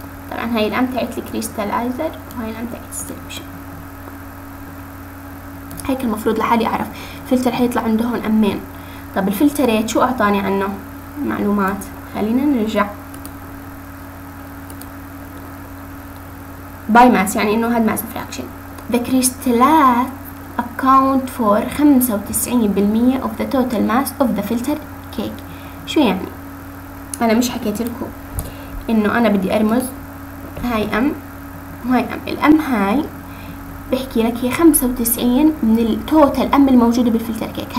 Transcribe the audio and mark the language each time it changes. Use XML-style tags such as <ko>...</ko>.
<ar>طبعا هاي الام تاعت الكريستالايزر وهاي الام تاعت السوليوشن، هيك المفروض لحالي اعرف. فلتر حيطلع عنده هون امين. طب الفلتريت شو اعطاني عنه معلومات؟ خلينا نرجع باي ماس، يعني انه هاد ماس فراكشن.</ar> <en>The crystallات account for 95% of the total mass of the filter cake.</en> <ar>شو يعني؟ انا مش حكيت لكم انه انا بدي ارمز هاي ام وهاي ام، الام هاي بحكي لك هي 95 من التوتال ام الموجوده بالفلتر كيك.</ar>